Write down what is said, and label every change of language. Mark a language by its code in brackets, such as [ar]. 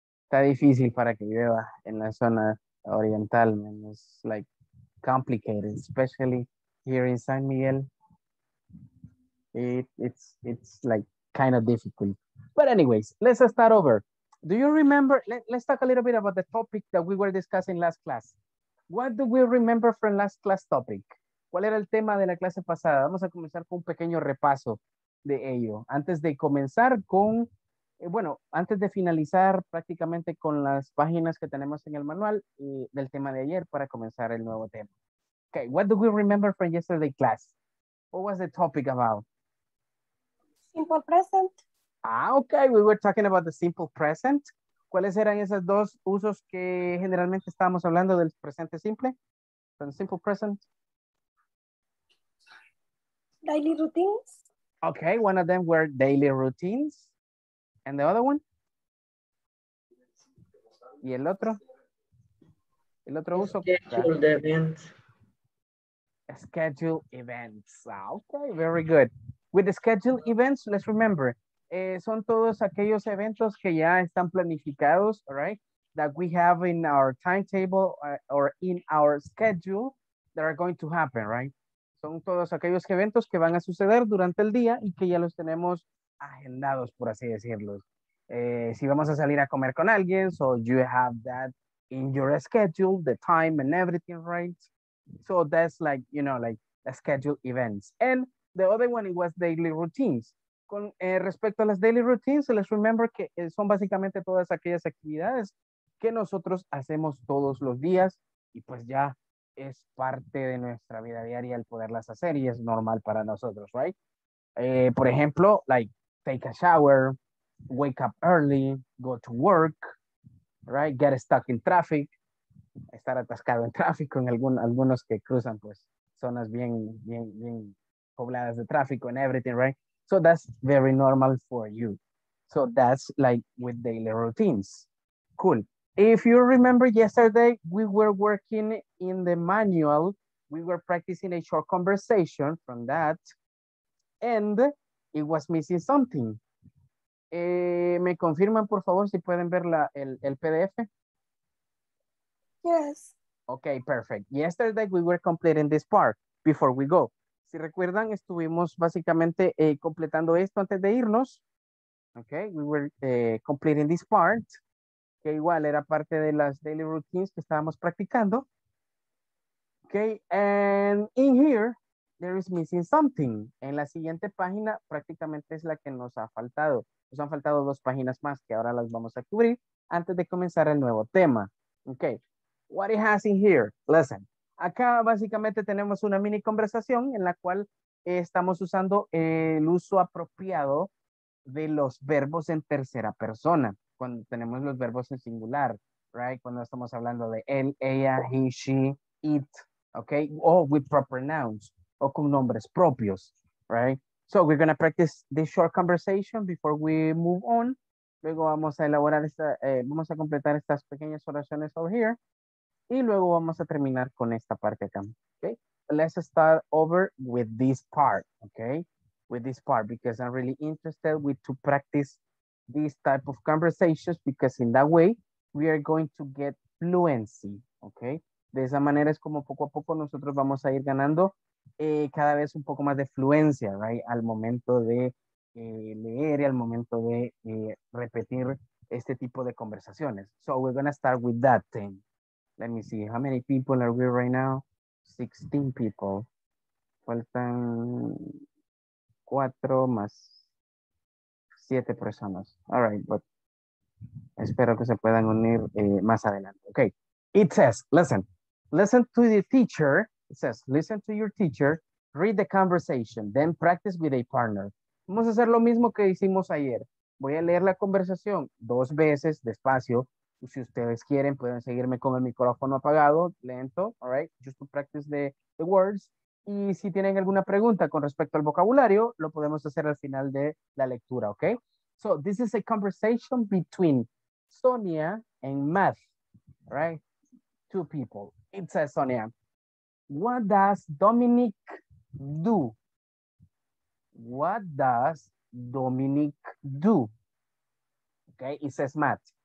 [es] Está difícil para que llueva en la zona oriental, man. [en] It's like complicated, especially here in San Miguel. It's like kind of difficult. But anyways, let's start over. Do you remember, let's talk a little bit about the topic that we were discussing last class. What do we remember from last class topic? [es] ¿Cuál era el tema de la clase pasada? Vamos a comenzar con un pequeño repaso de ello. Antes de comenzar con, bueno, antes de finalizar prácticamente con las páginas que tenemos en el manual y del tema de ayer para comenzar el nuevo tema. [en] Okay, what do we remember from yesterday class? What was the topic about? Simple present. Ah, okay, we were talking about the simple present. [es] ¿Cuáles eran esos dos usos que generalmente estábamos hablando del presente simple? [en] From simple present. Daily routines. Okay, one of them were daily routines. And the other one? [es] ¿Y el otro? ¿El otro uso? [en] Scheduled events. Schedule events. Ah, okay, very good. With the schedule events, let's remember, [es] son todos aquellos eventos que ya están planificados, [en] right? That we have in our timetable or in our schedule that are going to happen, right? [es] Son todos aquellos eventos que van a suceder durante el día y que ya los tenemos agendados, por así decirlo. Si vamos a salir a comer con alguien, [en] so you have that in your schedule, the time and everything, right? So that's like, you know, like the schedule events. And the other one, it was daily routines. [es] Con respecto a las daily routines, [en] let's remember [es] que son básicamente todas aquellas actividades que nosotros hacemos todos los días y pues ya es parte de nuestra vida diaria el poderlas hacer y es normal para nosotros, right? Por ejemplo, [en] like take a shower, wake up early, go to work, right? Get stuck in traffic, [es] estar atascado en tráfico en algunos que cruzan pues zonas bien pobladas de tráfico [en] and everything, right? So that's very normal for you. So that's like with daily routines. Cool. If you remember yesterday, we were working in the manual. We were practicing a short conversation from that. And it was missing something. [es] ¿Me confirman, por favor, si pueden ver el PDF? [en] Yes. Okay, perfect. Yesterday, we were completing this part before we go. [es] Si recuerdan, estuvimos básicamente completando esto antes de irnos. [en] Okay, we were completing this part, [es] que igual era parte de las daily routines que estábamos practicando. [en] Okay, and in here, there is missing something. [es] En la siguiente página, prácticamente es la que nos ha faltado. Nos han faltado dos páginas más que ahora las vamos a cubrir antes de comenzar el nuevo tema. [en] Okay, what it has in here? Listen. [es] Acá básicamente tenemos una mini conversación en la cual estamos usando el uso apropiado de los verbos en tercera persona. Cuando tenemos los verbos en singular, right? Cuando estamos hablando de él, ella, [en] he, she, it, okay? O with proper nouns, [es] o con nombres propios, [en] right? So we're going to practice this short conversation before we move on. [es] Luego vamos a elaborar esta, vamos a completar estas pequeñas oraciones [en] over here. [es] Y luego vamos a terminar con esta parte acá. [en] Okay? Let's start over with this part, okay? With this part, because I'm really interested with to practice these type of conversations, because in that way, we are going to get fluency, okay? [es] De esa manera es como poco a poco nosotros vamos a ir ganando cada vez un poco más de fluencia, right? Al momento de leer y al momento de repetir este tipo de conversaciones. [en] So we're going to start with that thing. Let me see, how many people are we right now? 16 people. [es] Faltan 4 más 7 personas. [en] All right, but [es] espero que se puedan unir más adelante. [en] Okay, it says, listen. Listen to the teacher. It says, listen to your teacher. Read the conversation. Then practice with a partner. [es] Vamos a hacer lo mismo que hicimos ayer. Voy a leer la conversación 2 veces, despacio. Si ustedes quieren, pueden seguirme con el micrófono apagado, lento, [en] all right? Just to practice the words. [es] Y si tienen alguna pregunta con respecto al vocabulario, lo podemos hacer al final de la lectura, okay? [en] So this is a conversation between Sonia and Matt, right? 2 people. It says, Sonia, what does Dominic do? What does Dominic do? Okay, it says Matt.